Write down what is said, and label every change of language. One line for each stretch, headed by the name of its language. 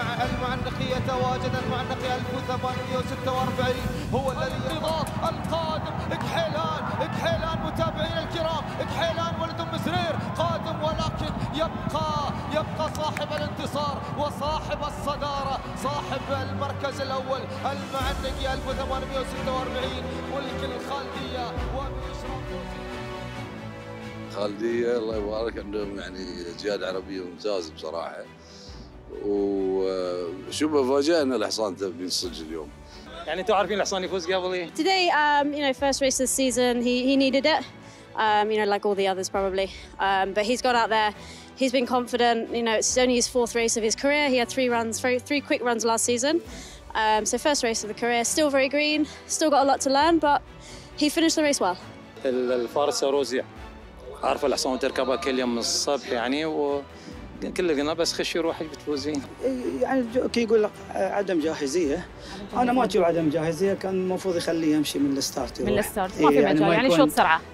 Arabic: المعنقي يتواجد المعنقي 1846 هو الذي يضغط القادم كحيلان كحيلان متابعين الكرام كحيلان ولد مزرير قادم ولكن يبقى صاحب الانتصار وصاحب الصدارة صاحب المركز الأول المعنقي 1846 ملك الخالدية وبيشرف خالدية الله يبارك عندهم يعني جياد عربية ممتاز بصراحة وشوف مفاجأنا الحصان تبي يصج اليوم يعني انتوا عارفين الحصان يفوز قبلي
English: today you know first race of the season he needed it you know like all the others probably but he's got out there. He's been confident, you know, it's only his fourth race of his career. He had three quick runs last season. So first race of the career, still very green, still got a lot to learn, but he finished the race well.
Arabic: الفارس روزي عارف الحصان تركبه كل يوم الصبح يعني وكل قلنا بس خش يروح بتفوزين. يعني كي يقول لك عدم جاهزية. أنا ما أشوف عدم جاهزية، كان المفروض يخليه يمشي من الستارت. من الستارت ما في مجال يعني شوط سرعة.